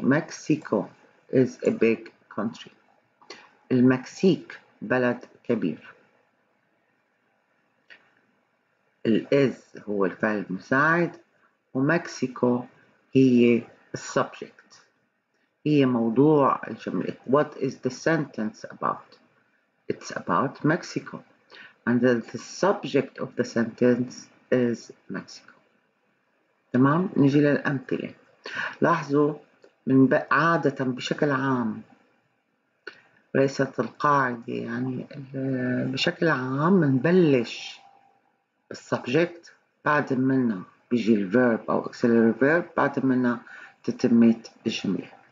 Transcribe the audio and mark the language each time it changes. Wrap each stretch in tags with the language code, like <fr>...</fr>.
<en>Mexico is a big country،</en> <ar>المكسيك بلد كبير. الاز هو الفعل المساعد، ومكسيكو هي السبجكت، هي موضوع الجملة.</ar> <en>What is the sentence about؟ It's about Mexico. And the subject of the sentence is Mexico.</en> <ar>تمام؟ نجي للأمثلة. لاحظوا من عادة بشكل عام، ليست القاعدة يعني، بشكل عام نبلش بالسبجكت، بعد منا بيجي الفيرب أو</ar> <en>auxiliary verb،</en> <ar>بعد منا تتميت الجملة.</ar>